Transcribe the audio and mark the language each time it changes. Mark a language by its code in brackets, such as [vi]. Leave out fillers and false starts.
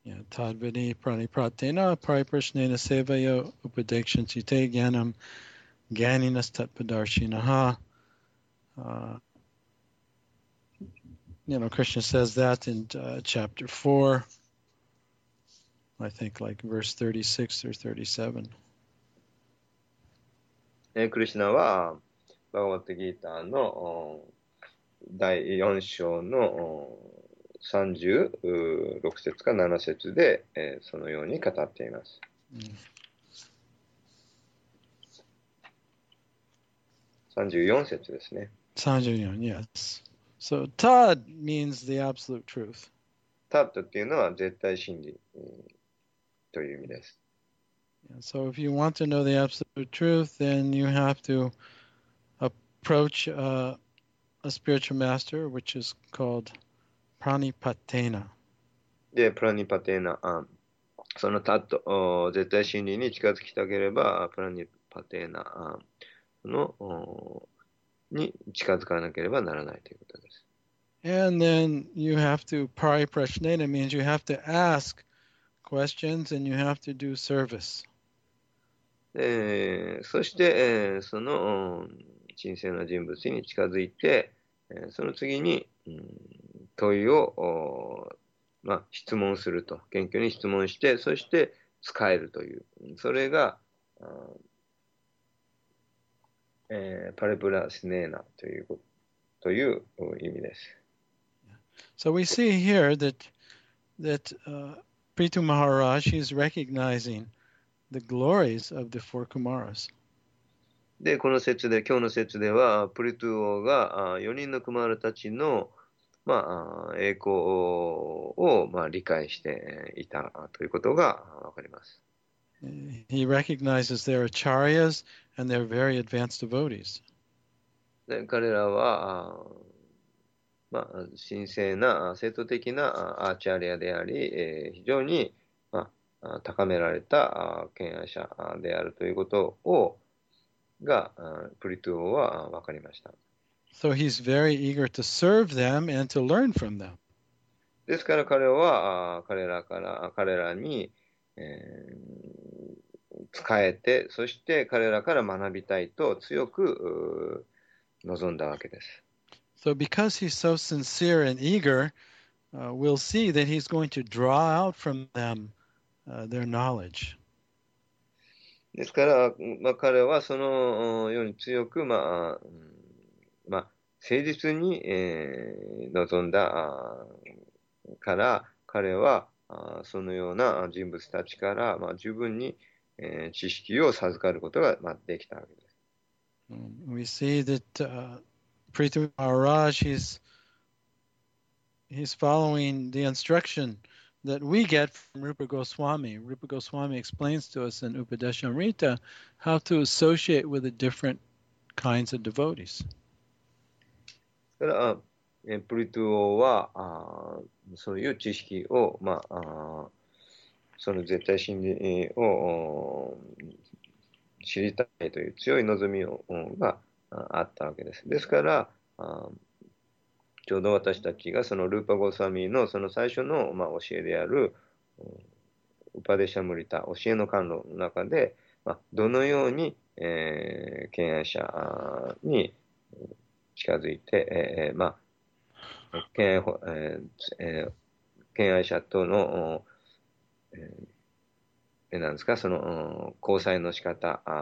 [sa] タッヴィニプラニプラテナプライプラシネナセヴァヨウパディクションチテギャナムギャニナスタッパダーシナハ。 [en] You know, Krishna says that in chapter 4, I think like verse 36 or 37. [ja] クリシナはバガヴァッド・ギーターの第4章の36節か7節でそのように語っています。 34節ですね。 [en] 34, yes. So, Tad means the absolute truth. [ja] Tad っていうのは絶対真理という意味です。 [en] So if you want to know the absolute truth, then you have to approach a spiritual master, which is called Pranipatena. [ja] で、プラニパテーナ、そのタット、絶対真理に近づきたければ、プラニパテーナの、に近づかなければならないということです。 [en] And then you have to, Pariprashnena means you have to ask questions and you have to do service. [ja] そして、その神聖な人物に近づいて、その次に、問いを、まあ、質問すると、謙虚に質問して、そして使えるという、それが、パレプラシネーナという意味です。 [en] So we see here that Prithu Maharaj is recognizing the glories of the four Kumaras. [ja] で、この説で、今日の説では、プリトゥ王が4人のクマールたちのまあ、栄光を、まあ、理解していたということがわかります。 [en] He recognizes their acharyas and their very advanced devotees. [ja] で、彼らは、まあ、神聖な、正統的なアーチャリアであり、非常に、まあ、高められた権威者であるということをが、プリトゥ王はわかりました。 [en] So he's very eager to serve them and to learn from them. [ja] ですから彼は彼らに仕えて、そして彼らから学びたいと強く望んだわけです。 [en] So because he's so sincere and eager, we'll see that he's going to draw out from them their knowledge. [ja] ですから、まあ、彼はそのように強く、まあ、まあ誠実に臨んだから彼はそのような人物たちから十分に知識を授かることができたわけです。 [en] We see that Prithu Maharaj he's following the instruction that we get from Rupa Goswami. Rupa Goswami explains to us in Upadeshamrita how to associate with the different kinds of devotees. [ja] プリトゥ王はそういう知識を、まあ、その絶対真理を知りたいという強い望みがあったわけです。ですから、ちょうど私たちがそのルーパゴサミのその最初の、まあ、教えであるウパデシャムリタ、教えの観論の中で、まあ、どのように、権威者に近づいて、まあ、権威者との、なんですか、その、交際の仕方、